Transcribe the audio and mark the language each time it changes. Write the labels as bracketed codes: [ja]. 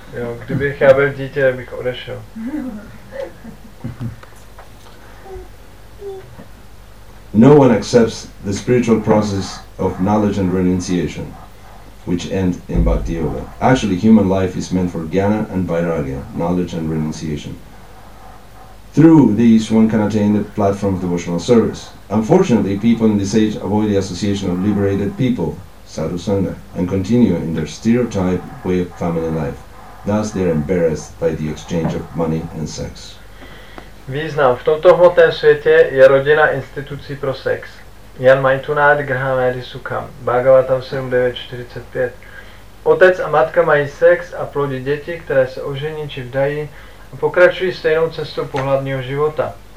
[cs] Jo, kdybych já byl dítě, bych odešel. [en] No one accepts the spiritual process of knowledge and renunciation, which end in Bhakti Yoga. Actually, human life is meant for Jnana and Vairagya, knowledge and renunciation. Through these, one can attain the platform of devotional service. Unfortunately, people in this age avoid the association of liberated people, sadhu sangha, and continue in their stereotype way of family life. Thus, they are embarrassed by the exchange of money and sex. [cs] Význam. V tomto hmotném světě je rodina institucí pro sex. [sa] Jan Maitunad Grahamedi Sukham, Bhagavatam 7.9.45. [cs] Otec a matka mají sex a plodí děti, které se ožení či vdají, a pokračují stejnou cestou pohlavního života.